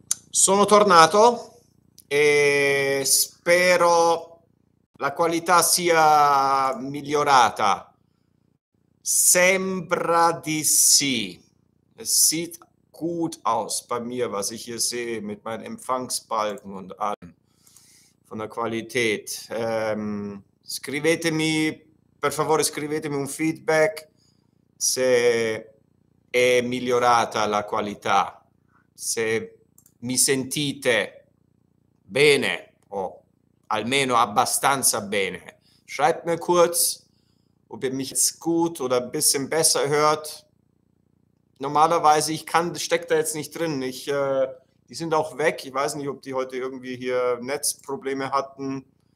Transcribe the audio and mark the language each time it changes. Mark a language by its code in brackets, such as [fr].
[it] Sono tornato e spero la qualità sia migliorata. Sembra di sì. [de] Es sieht gut aus bei mir, was ich hier sehe, mit meinen Empfangsbalken und allem von der Qualität. [it] Scrivetemi, per favore, scrivetemi un feedback se è migliorata la qualità. Se mi sentite bene o almeno abbastanza bene? [de] Schreibt mir kurz, ob ihr mich jetzt gut oder ein bisschen besser hört. Normalerweise, ich kann, steckt da jetzt nicht drin. Die sind auch weg. Ich weiß nicht, ob die heute irgendwie hier Netzprobleme hatten.